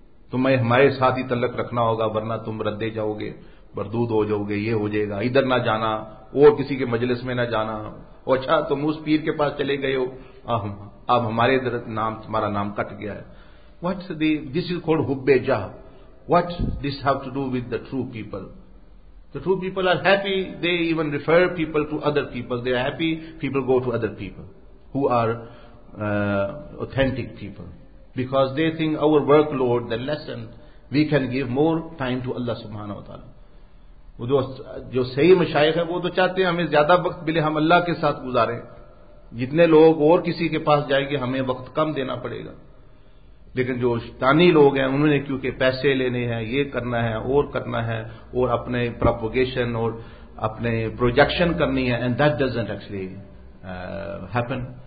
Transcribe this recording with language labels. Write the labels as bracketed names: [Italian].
[Urdu] تمہیں ہمارے ساتھ ہی تعلق رکھنا ہوگا ورنہ تم ردے جاؤ گے, بردود ہو جاؤ گے, یہ ہو جائے گا, ادھر نہ جانا, اور کسی کے مجلس میں نہ جانا. اچھا تم اس پیر کے پاس چلے گئے ہو, اب ہمارے نام تمہارا نام کٹ گیا ہے. [English] What this is called حب جاہ. What this have to do with the true people. The true people are happy, they even refer people to other people. They are happy, people go to other people who are authentic people, because they think over work load the lesson, we can give more time to Allah سبحانہ و تعالی. [Urdu] جو صحیح مشائخ ہیں وہ تو چاہتے ہیں ہمیں زیادہ وقت ملے, ہم اللہ کے ساتھ گزاریں, جتنے لوگ اور کسی کے پاس جائیں گے ہمیں وقت کم دینا پڑے گا، لیکن جو شیطانی لوگ ہیں انہوں نے کیونکہ پیسے لینے ہیں، یہ کرنا ہے اور کرنا ہے اور اپنے پروپوگیشن اور اپنے پروجیکشن کرنی ہے، [English] And that doesn't actually happen.